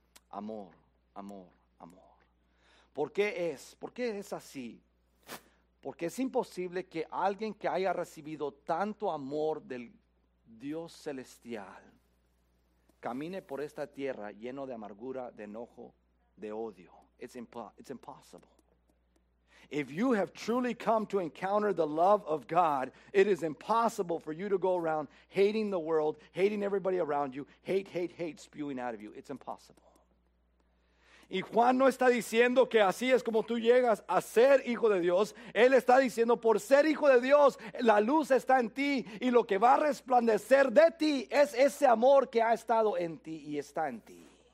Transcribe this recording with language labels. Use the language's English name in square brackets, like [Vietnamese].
[Spanish] Amor, amor, amor. ¿Por qué es así? Porque es imposible que alguien que haya recibido tanto amor del Dios celestial camine por esta tierra lleno de amargura, de enojo, de odio. [English] It's impossible. If you have truly come to encounter the love of God, it is impossible for you to go around hating the world, hating everybody around you, hate, hate, hate, spewing out of you. It's impossible. [Spanish] Y Juan no está diciendo que así es como tú llegas a ser hijo de Dios. Él está diciendo, por ser hijo de Dios, la luz está en ti y lo que va a resplandecer de ti es ese amor que ha estado en ti y está en ti.